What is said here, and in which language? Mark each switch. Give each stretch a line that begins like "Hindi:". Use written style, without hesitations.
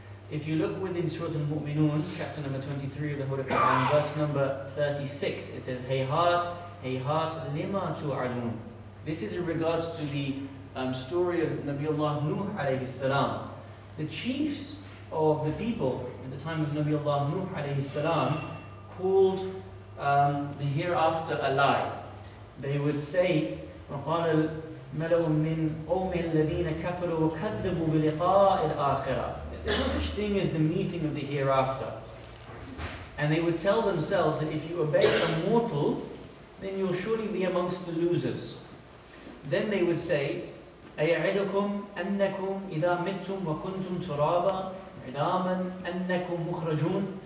English: If you look within Surah Al-Mu'minun, chapter number 23 of the Holy Quran, verse number 36, it says,
Arabic: Hayhat, hayhat, lima tu'adun.
English: This is in regards to the story of Nabiullah Nuh alayhi salam. The chiefs of the people at the time of Nabiullah Nuh alayhi salam called the hereafter a lie.
Arabic: They would say, وَقَالَ الْمَلَوْ مِنْ قَوْمِ الَّذِينَ كَفَرُوا وَكَذَّبُوا بِلِقَاءِ الْآخِرَةِ.
English: There's no such thing as the meeting of the hereafter. And they would tell themselves that if you obey a mortal, then you'll surely be amongst the losers.
Arabic: Then they would say, أَيَعِدُكُمْ أَنَّكُمْ إِذَا مِتْتُمْ وَكُنْتُمْ تُرَابًا عِدَامًا أَنَّكُمْ مُخْرَجُونَ.